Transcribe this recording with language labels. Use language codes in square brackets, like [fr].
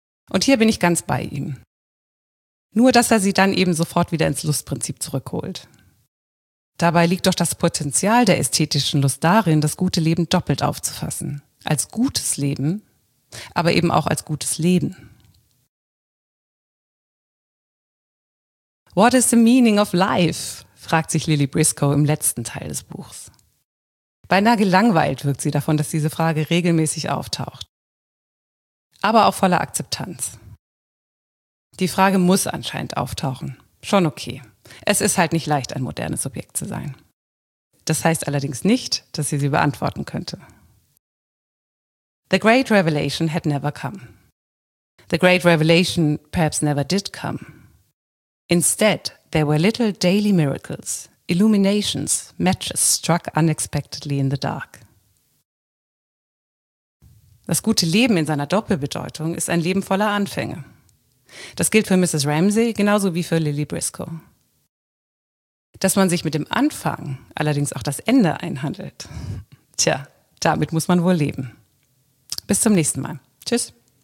[de] Und hier bin ich ganz bei ihm. Nur, dass er sie dann eben sofort wieder ins Lustprinzip zurückholt. Dabei liegt doch das Potenzial der ästhetischen Lust darin, das gute Leben doppelt aufzufassen. Als gutes Leben, aber eben auch als gutes Leben. [en] What is the meaning of life? [de] Fragt sich Lily Briscoe im letzten Teil des Buchs. Beinahe gelangweilt wirkt sie davon, dass diese Frage regelmäßig auftaucht. Aber auch voller Akzeptanz. Die Frage muss anscheinend auftauchen. Schon okay. Es ist halt nicht leicht, ein modernes Subjekt zu sein. Das heißt allerdings nicht, dass sie beantworten könnte. [en] The great revelation had never come. The great revelation perhaps never did come. Instead, there were little daily miracles, illuminations, matches struck unexpectedly in the dark. [de] Das gute Leben in seiner Doppelbedeutung ist ein Leben voller Anfänge. Das gilt für Mrs. Ramsay genauso wie für Lily Briscoe. Dass man sich mit dem Anfang allerdings auch das Ende einhandelt, tja, damit muss man wohl leben. Bis zum nächsten Mal. Tschüss.